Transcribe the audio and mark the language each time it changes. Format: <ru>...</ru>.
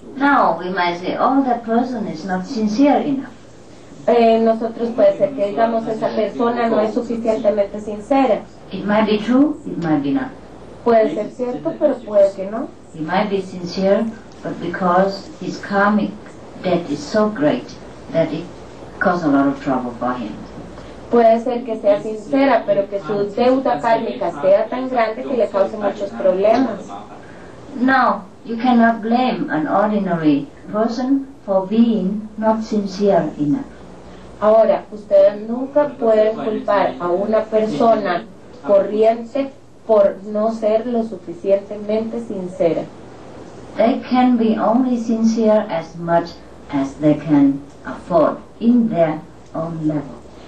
<en>Now we might say, oh, that person is not sincere enough.</en> <es>Nosotros puede ser que digamos esa persona no es suficientemente sincera.</es> <en>It might be true, it might be not.</en> <es>Puede ser cierto, pero puede que no.</es> <en>He might be sincere, but because his karmic debt is so great that it caused a lot of trouble for him.</en> <es>Puede ser que sea sincera, pero que su deuda kármica sea tan grande que le cause muchos problemas.</es> <en>No, you cannot blame an ordinary person for being not sincere enough.</en> <es>Ahora, ustedes nunca pueden culpar a una persona corriente por no ser lo suficientemente sincera.</es> <en>They can be only sincere as much as they can afford in their own level.</en>